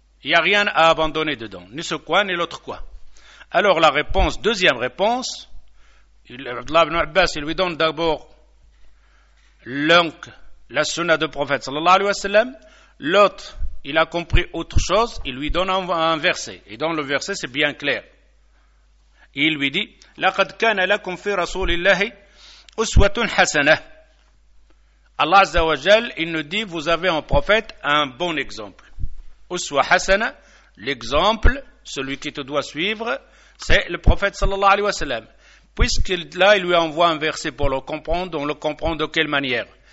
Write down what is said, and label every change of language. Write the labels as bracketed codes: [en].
[fr] Il n'y a rien à abandonner dedans, ni ce coin, ni l'autre coin. Alors la réponse, deuxième réponse, Abdullah ibn Abbas, il lui donne d'abord la sunna du prophète sallallahu alayhi wa sallam, l'autre, il a compris autre chose, il lui donne un verset. Et dans le verset, c'est bien clair. Il lui dit: [ar] لَقَدْ كَانَ لَكُمْ فِي رَسُولِ اللَّهِ أُسْوَةٌ حَسَنَةٌ. [fr] Allah Azza wa Jal, il nous dit: vous avez en prophète un bon exemple. Uswa Hasana, l'exemple, celui qui te doit suivre, c'est le prophète sallallahu alayhi wa sallam. Puisqu'il là, il lui envoie un verset pour le comprendre, on le comprend de quelle manière.